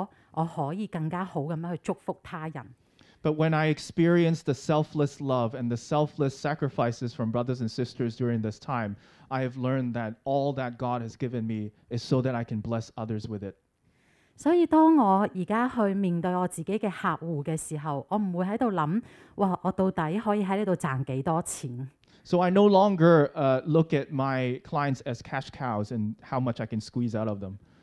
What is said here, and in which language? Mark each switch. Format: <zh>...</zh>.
<yue>我會覺得喺，但我會覺得當我嘅教會嘅弟兄姊妹咧，無私咁樣去愛我，同埋俾好多嘢去幫助我渡過難關嘅時候，我更加明白神原嚟俾我嘅嘢係為咗我可以更加好咁樣去祝福他人。</yue> <en>But when I experienced the selfless love and the selfless sacrifices from brothers and sisters during this time, I have learned that all that God has given me is so that I can bless others with it.</en> <yue>所以当我现在去面对我自己的客户的时候，我唔会喺度谂，哇，我到底可以喺呢度赚几多钱？</yue> <en>So I no longer look at my clients as cash cows and how much I can squeeze out of them.</en>